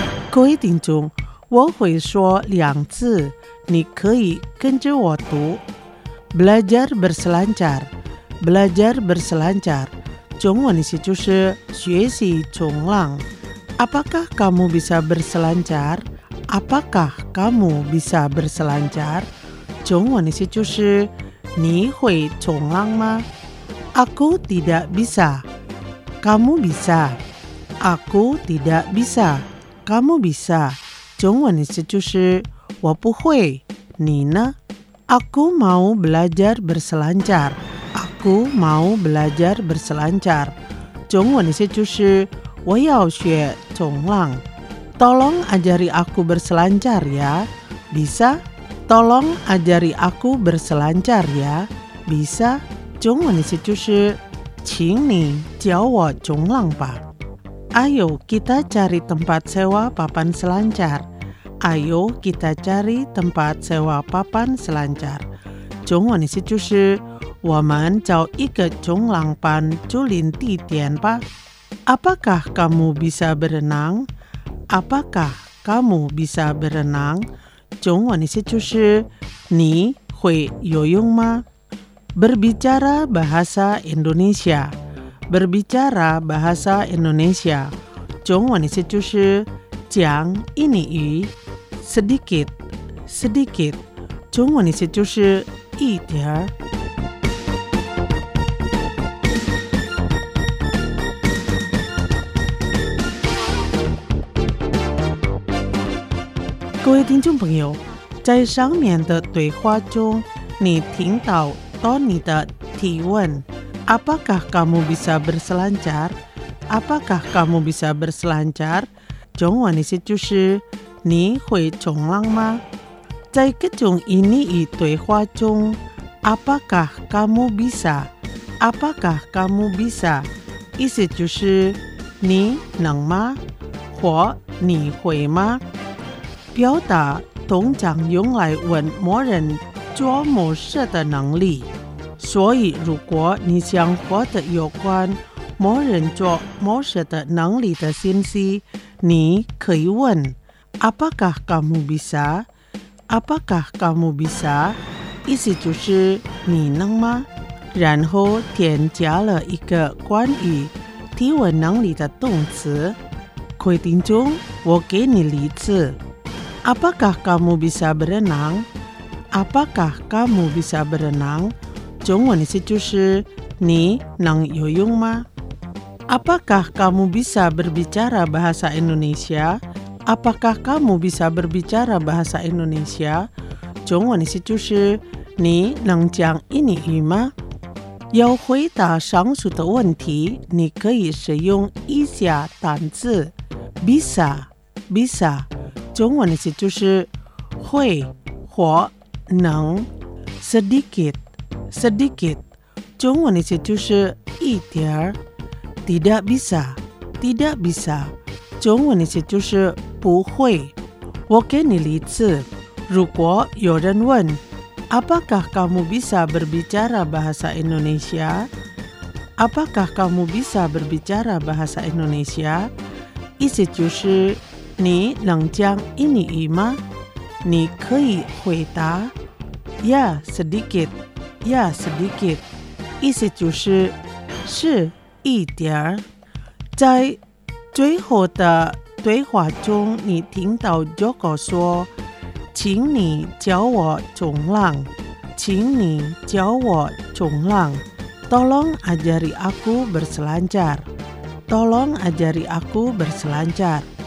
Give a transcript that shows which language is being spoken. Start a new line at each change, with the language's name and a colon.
Chinese: 各位听众，我会说两字，你可以跟着我读。
Indonesian: Belajar berselancar， belajar berselancar，
Chinese: 中文意思就是学习冲浪。
Indonesian: Apakah kamu bisa berselancar？ Apakah kamu bisa berselancar？
Chinese: 中文意思就是你会冲浪吗？
Indonesian: Aku tidak bisa， kamu bisa。 Aku tidak bisa， kamu bisa。
Chinese: 中文意思就是我不会，你呢？
Indonesian: Aku mau belajar berselancar， aku mau belajar berselancar，
Chinese: 中文意思就是我要学冲浪。
Indonesian: Tolong ajari aku berselancar ya， bisa？ Tolong ajari aku berselancar ya， bisa？
Chinese: 中文意思就是请你教我冲浪吧。
Indonesian: Ayo kita cari tempat sewa papan selancar，Ayo kita cari tempat sewa papan selancar.
Chinese: 中文意思就是我们找一个冲浪板租赁地点吧。
Indonesian: Apakah kamu bisa berenang? Apakah kamu bisa berenang?
Chinese: 中文意思就是你会游泳吗？
Indonesian: Berbicara bahasa Indonesia. Berbicara bahasa Indonesia.
Chinese: 中文意思就是讲印尼语。
Indonesian: Sedikit, sedikit，
Chinese: 中文意思就是一点。各位听众朋友，在上面的对话中，你听到 Tony 的提问 ：
Indonesian: Apakah kamu bisa berselancar？ Apakah kamu bisa berselancar？
Chinese: 中文意思就是。你会冲浪吗？在各种印尼语对话中
Indonesian: ，apakah kamu bisa？apakah kamu bisa？
Chinese: 意思就是你能吗？或你会吗？表达通常用来问某人做某事的能力。所以如果你想获得有关某人做某事的能力的信息，你可以问
Indonesian: Apakah kamu bisa? Apakah kamu bisa?
Chinese: 意思就是你能吗？然后添加了一个关于提问能力的动词。规定中我给你例子。
Indonesian: Apakah kamu bisa berenang? Apakah kamu bisa berenang?
Chinese: 中文意思就是你能游泳吗？
Indonesian: Apakah kamu bisa berbicara bahasa Indonesia? Apakah kamu bisa berbicara bahasa Indonesia?
Chinese: 中文的意思是你能讲印尼语吗？要回答上述的问题，你可以使用以下单词
Indonesian: bisa, bisa
Chinese: 中文的意思是会或能
Indonesian: sedikit, sedikit
Chinese: 中文的意思是一点
Indonesian: Tidak bisa, tidak bisa.
Chinese: 中文的意思就是不会。我给你例子，如果有人问 ，
Indonesian: Apakah kamu bisa berbicara bahasa Indonesia? Apakah kamu bisa berbicara bahasa Indonesia?
Chinese: 意思就是你能讲印尼语吗？你可以回答 ，
Indonesian: Ya sedikit, ya sedikit.
Chinese: 意思就是是。一点，在最后的对话中，你听到 Joko 说：“请你教我冲浪，请你教我冲浪。
Indonesian: Tolong ajari aku berselancar. Tolong ajari aku berselancar.